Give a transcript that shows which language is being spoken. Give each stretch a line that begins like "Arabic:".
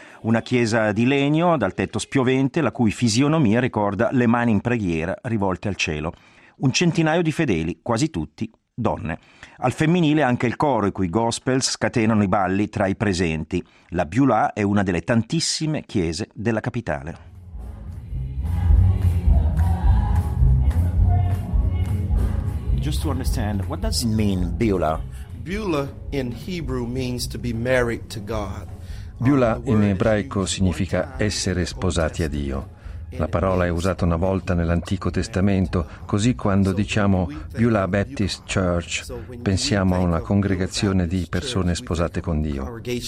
Italian: Una chiesa di legno dal tetto spiovente la cui fisionomia ricorda le mani in preghiera rivolte al cielo. Un centinaio di fedeli, quasi tutti donne. Al femminile anche il coro i cui gospels scatenano i balli tra i presenti. La Beulah è una delle tantissime chiese della capitale.
English: Just to understand, what does it mean, Beulah? Beulah in Hebrew means to be married to God.
Italian: Beulah in ebraico significa essere sposati a Dio. La parola è usata una volta nell'Antico Testamento, così quando diciamo Beulah Baptist Church, pensiamo a una congregazione di persone sposate con Dio.